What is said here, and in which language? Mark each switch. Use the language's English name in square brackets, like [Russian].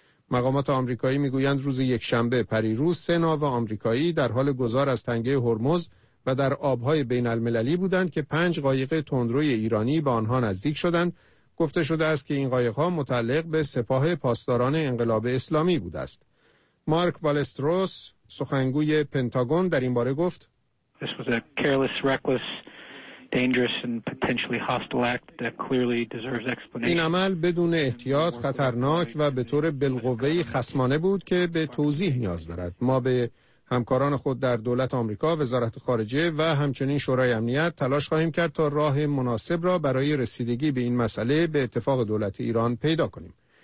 [Persian] مقامات آمریکایی میگویند روز یکشنبه پریروز سه ناو آمریکایی در حال گذار از تنگه هرمز و در آبهای بین المللی بودند که 5 قایق تندروی ایرانی به آنها نزدیک شدند. گفته شده است که این قایق‌ها متعلق به سپاه پاسداران انقلاب اسلامی بود است. مارک بالستروس، سخنگوی پنتاگون، در این باره گفت: [English] This was a careless, reckless, dangerous and potentially hostile act that clearly deserves explanation. [Persian] این عمل بدون احتیاط خطرناک و به طور بالقوه خصمانه بود که به توضیح نیاز دارد. ما به همکاران خود در دولت آمریکا، وزارت خارجه و همچنین شورای امنیت تلاش خواهیم کرد تا راه مناسب را برای رسیدگی به این مسئله به اتفاق دولت ایران پیدا کنیم.